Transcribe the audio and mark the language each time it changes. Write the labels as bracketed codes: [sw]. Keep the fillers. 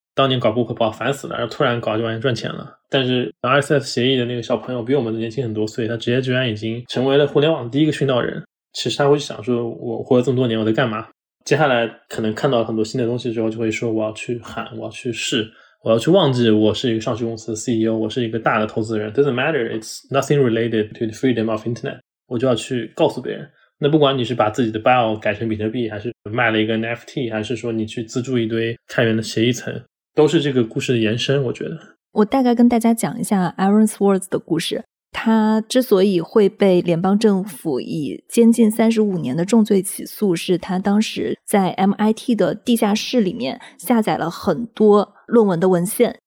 [zh] 当年搞博客把我烦死了，然后突然搞就玩意赚钱了。但是 RSS 协议的那个小朋友比我们年轻很多岁，他直接居然已经成为了互联网第一个殉道人。其实他会想说：“我活了这么多年，我在干嘛？” 接下来可能看到很多新的东西之后，就会说：“我要去喊，我要去试，我要去忘记，我是一个上市公司的 CEO，我是一个大的投资人。 [en] Doesn't matter. It's nothing related to the freedom of internet.” [zh] 我就要去告诉别人，那不管你是把自己的 bio 改成比特币，还是卖了一个 NFT，还是说你去资助一堆开源的协议层，都是这个故事的延伸。我觉得，我大概跟大家讲一下 Aaron Swartz 的故事。他之所以会被联邦政府以监禁三十五年的重罪起诉，是他当时在 MIT 的地下室里面下载了很多论文的文献。